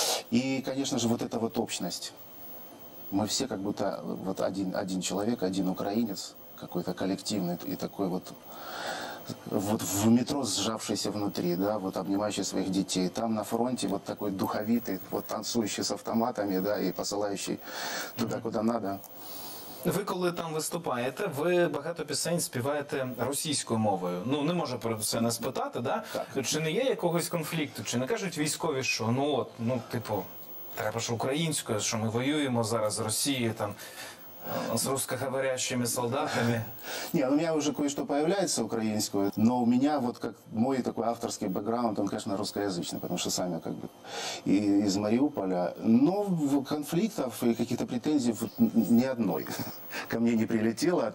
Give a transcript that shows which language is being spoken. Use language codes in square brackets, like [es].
[ru] И, конечно же, вот эта вот общность. Мы все как будто вот один человек, один украинец, какой-то коллективный и такой вот... Вот в метро сжавшийся внутри, да, вот обнимающий своих детей. Там на фронте вот такой духовитый, вот танцующий с автоматами, да, и посылающий туда, куда надо. [uk] Ви коли там виступаєте, ви багато пісень співаєте російською мовою. Ну, не можу про це не спитати, да? Так. Чи не є якогось конфлікту, чи не кажуть військові, що, треба ж українською, що ми воюємо зараз з Росією, там... [ru] С русскоговорящими солдатами. Не, у меня уже кое-что появляется украинского, но у меня вот как мой такой авторский бэкграунд, он, конечно, русскоязычный, потому что сами как бы из Мариуполя. Но конфликтов и каких-то претензий вот ни одной ко мне не прилетело.